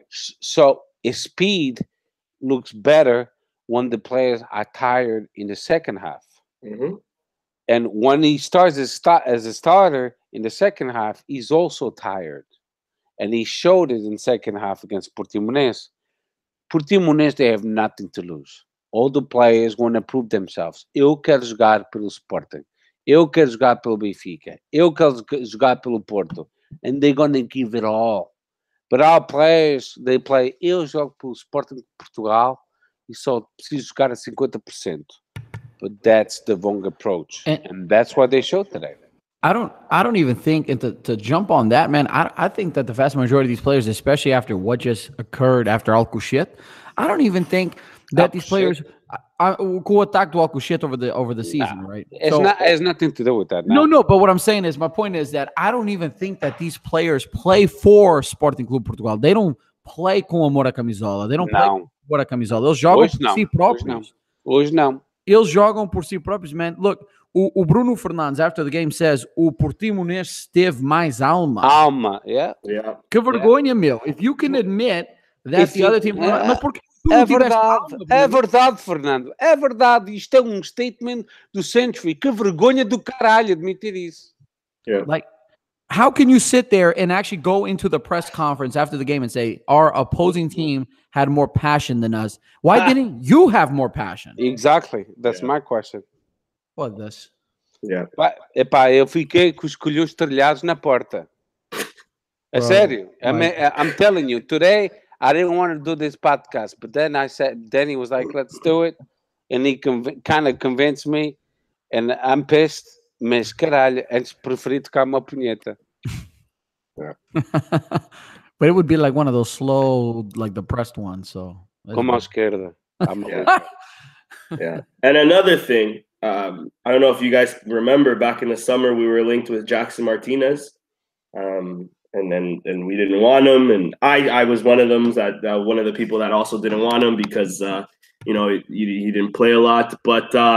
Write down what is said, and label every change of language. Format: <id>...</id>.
<en>So his speed looks better when the players are tired in the second half. Mm-hmm. And when he starts as a starter in the second half, he's also tired. And he showed it in second half against Portimonense. Portimonense, they have nothing to lose. All the players want to prove themselves.</en> <pt>Eu quero jogar pelo Sporting. Eu quero jogar pelo Benfica. Eu quero jogar pelo Porto.</pt> <en>And they're going to give it all. But our players, they play,</en> <pt>eu jogo pelo Sporting Portugal e só preciso jogar a 50%.</pt> <en>But that's the wrong approach. And that's what they showed today. I don't even think, and to jump on that, man, I think that the vast majority of these players, especially after what just occurred after Alcochete, I don't even think that these players attacked Alcochete over the season, right? It has nothing to do with that. No, but what I'm saying is, my point is that I don't even think that these players play for Sporting Clube Portugal. They don't play</en> <pt>com amor à camisola.</pt> <en>They don't play com amor à camisola.</en> <pt>Eles jogam por si próprios. Hoje não. Eles jogam por si próprios, man.</pt> <en>Look, o Bruno Fernandes, after the game, says,</en> <pt>o Portimonense teve mais alma.</pt> <en>Alma, yeah. Yeah.</en> <pt>Que vergonha, meu.</pt> <en>If you can admit that the other team...</en> <pt>Yeah. Mas porque tu é verdade, Fernando. É verdade. Isto é um statement do century. Que vergonha do caralho admitir isso.</pt> <en>Yeah. Like, how can you sit there and actually go into the press conference after the game and say, our opposing team had more passion than us? Why didn't you have more passion? Exactly. That's my question. What this? Yeah.</en> <pt>Epá, eu fiquei com os colhões trilhados na porta. É sério.</pt> <en>I'm telling you, today I didn't want to do this podcast, but then I said, Danny was like, let's do it. And he kind of convinced me, and I'm pissed.</en> <pt>Mas caralho, antes preferi tocar uma punheta.</pt> <en>But it would be like one of those slow, like depressed ones. So.</en> <pt>Como a esquerda.</pt> <en>And another thing, I don't know if you guys remember, back in the summer we were linked with Jackson Martinez, and then we didn't want him, and I was one of them, one of the people that also didn't want him because he didn't play a lot, but.</en>